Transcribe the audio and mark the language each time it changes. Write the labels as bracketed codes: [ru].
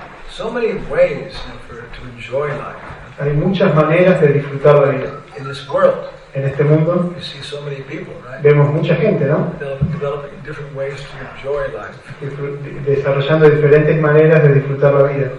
[en] So many ways to enjoy life. [es] Hay muchas maneras de disfrutar la vida. [en] In this world. [es] En este mundo [en] you see so many people, right? [es] Vemos mucha gente, ¿no? [en] Developing different ways to enjoy life. [es] Desarrollando diferentes maneras de disfrutar la vida.